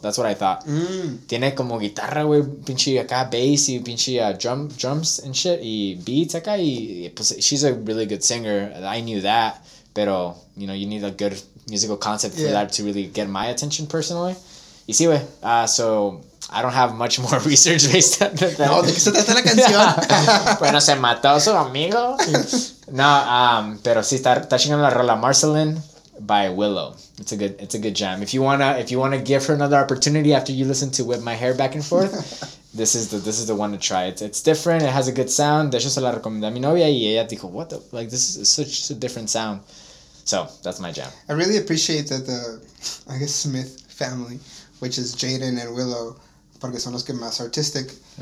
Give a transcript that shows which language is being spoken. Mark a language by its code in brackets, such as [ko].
[en] That's what I thought. [es] Tiene como guitarra, güey, pinche acá [en] bass y pinche drums and shit y beats acá y pues, she's a really good singer. I knew that, pero you know, you need a good musical concept for that to really get my attention personally. [es] Y sí, güey. [en] So I don't have much more research based on that. [es] No, de que se trata la canción. Bueno, se mató su amigo. No, pero sí, está chingando la rola Marceline by Willow. [en] It's a good jam. If you wanna give her another opportunity after you listen to Whip My Hair Back and Forth, this is the one to try. It's different. It has a good sound. [es] De hecho, se la recomendé a mi novia y ella dijo, [en] what the, like, this is such a different sound. So, that's my jam. I really appreciate that the, I guess, Smith family, which is Jaden and Willow, [es] porque son los que más [en] artistic.